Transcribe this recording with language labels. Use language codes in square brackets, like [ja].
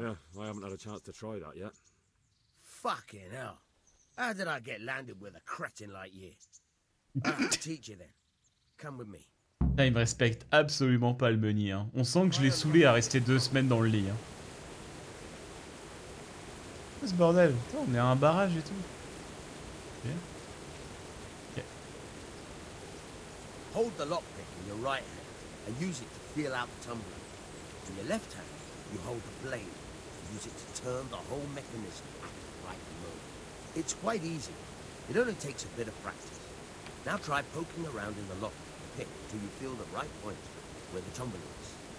[en] Yeah, I haven't had a chance to try that yet. Fucking hell. How did I get landed with a cretin like you? I'll teach you then. Come with me. [fr] Là, il me respecte absolument pas le meunier. Hein. On sent que je l'ai saoulé à rester deux semaines dans le lit. Hein. Ce bordel. On est à un barrage et tout. Okay. [en] Hold the lockpick in your right hand and use it to feel out the tumbler. In your left hand, you hold the blade. Use it to turn the whole mechanism at the right mode. It's quite easy. It only takes a bit of practice. Now try poking around in the lockpick till you feel the right point where the tumbler is.